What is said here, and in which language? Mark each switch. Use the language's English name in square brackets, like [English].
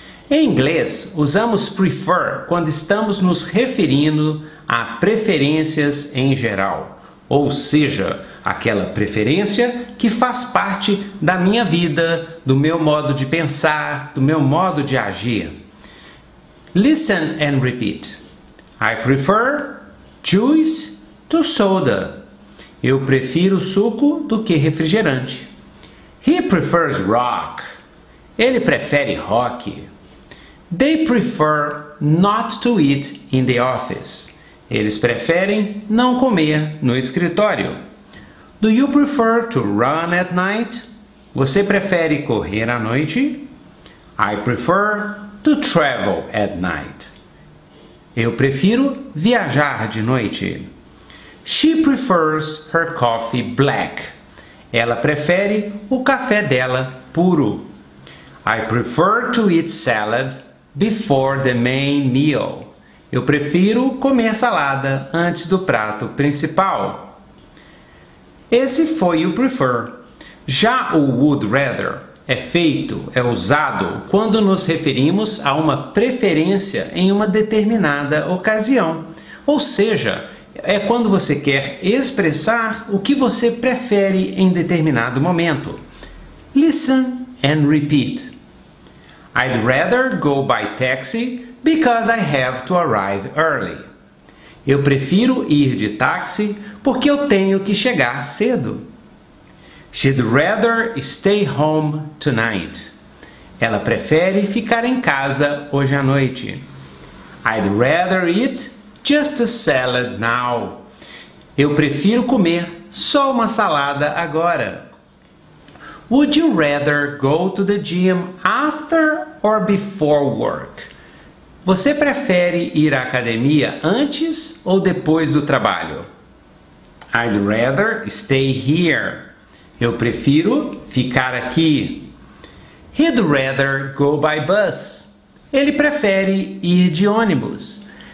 [Portuguese] Em inglês, usamos prefer quando estamos nos referindo a preferências em geral, ou seja, aquela preferência que faz parte da minha vida, do meu modo de pensar, do meu modo de agir. [English] Listen and repeat. I prefer juice to soda. [Portuguese] Eu prefiro suco do que refrigerante. [English] He prefers rock. [Portuguese] Ele prefere rock. [English] They prefer not to eat in the office. [Portuguese] Eles preferem não comer no escritório. [English] Do you prefer to run at night? [Portuguese] Você prefere correr à noite? [English] I prefer to travel at night. [Portuguese] Eu prefiro viajar de noite. [English] She prefers her coffee black. [Portuguese] Ela prefere o café dela puro. [English] I prefer to eat salad before the main meal. [Portuguese] Eu prefiro comer salada antes do prato principal. Esse foi o prefer. Já o would rather é usado quando nos referimos a uma preferência em uma determinada ocasião. Ou seja, é quando você quer expressar o que você prefere em determinado momento. [English] Listen and repeat. I'd rather go by taxi because I have to arrive early. [Portuguese] Eu prefiro ir de táxi porque eu tenho que chegar cedo. [English] She'd rather stay home tonight. [Portuguese] Ela prefere ficar em casa hoje à noite. [English] I'd rather eat just a salad now. [Portuguese] Eu prefiro comer só uma salada agora. [English] Would you rather go to the gym after or before work? [Portuguese] Você prefere ir à academia antes ou depois do trabalho? [English] I'd rather stay here. [Portuguese] Eu prefiro ficar aqui. [English] He'd rather go by bus. [Portuguese] Ele prefere ir de ônibus.